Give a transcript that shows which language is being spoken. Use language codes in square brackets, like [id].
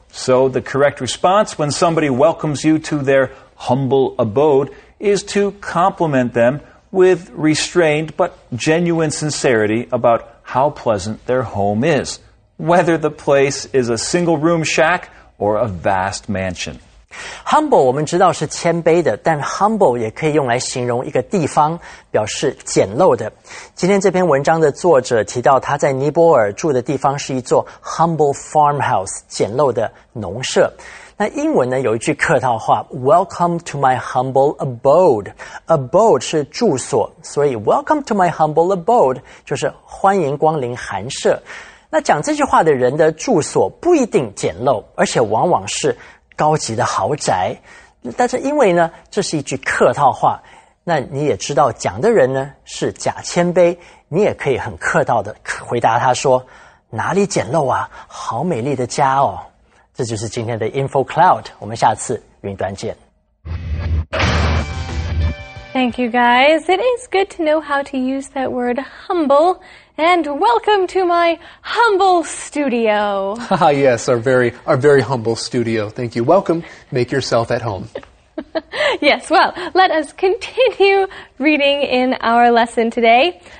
[en] So the correct response when somebody welcomes you to their humble abode is to compliment them with restrained but genuine sincerity about how pleasant their home is, whether the place is a single-room shack or a vast mansion. [zh] Humble 我们知道是谦卑的，但 humble 也可以用来形容一个地方，表示简陋的。今天这篇文章的作者提到他在尼泊尔住的地方是一座 [en] humble farmhouse， [zh] 简陋的农舍。那英文呢有一句客套话 , [en] welcome to my humble abode。 [zh] abode 是住所，所以 [en] welcome to my humble abode [zh] 就是欢迎光临寒舍。那讲这句话的人的住所不一定简陋，而且往往是高级的豪宅，但是因为呢，这是一句客套话，那你也知道讲的人呢是假谦卑，你也可以很客套的回答他说，哪里简陋啊，好美丽的家哦。这就是今天的 Info Cloud， 我们下次云端见。 [en] Thank you guys. It is good to know how to use that word humble. And welcome to my humble studio. Ah, yes, our very humble studio. Thank you. Welcome. Make yourself at home. Yes, well, let us continue reading in our lesson today.